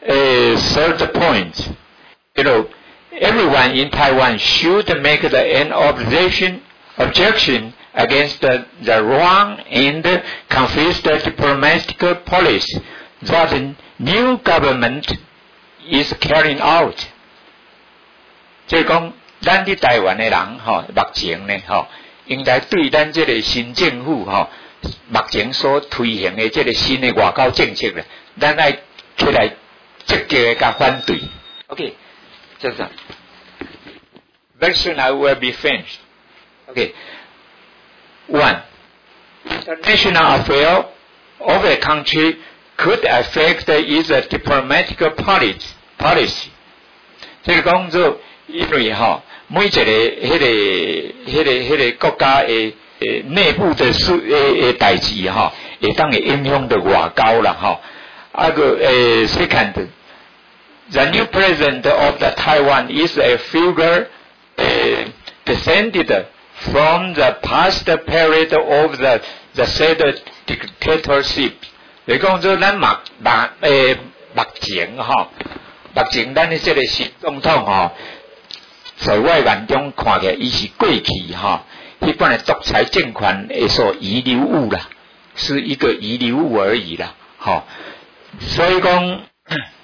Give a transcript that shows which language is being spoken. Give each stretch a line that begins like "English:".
English: Third point, you know, everyone in Taiwan should make an objection against the wrong and confused diplomatic policy that the new government is carrying out.
Min Nan Chinese: 所以讲，咱伫台湾的人哈，目前呢哈，应该对咱这个新政府哈。目前所推行的这个新的外交政策呢，咱爱出来积极的加反对。
English: OK， 就是。Very soon I will be finished. OK. One, the national affair of a country could affect its diplomatic policy.
Min Nan Chinese: 这个工作，因为哈，每一个迄个国家的。内部的事代志哈，也当然应用的外交了哈。
English: 那个second, the new president of the Taiwan is a figure descended from the past period of the said dictatorship.
Min Nan Chinese: 你讲说咱目前哈，目前咱的这个习总统哈，在外眼中看起来，伊是过去哈。一般的独裁政权的所遗留物啦，是一个遗留物而已啦，哈、哦。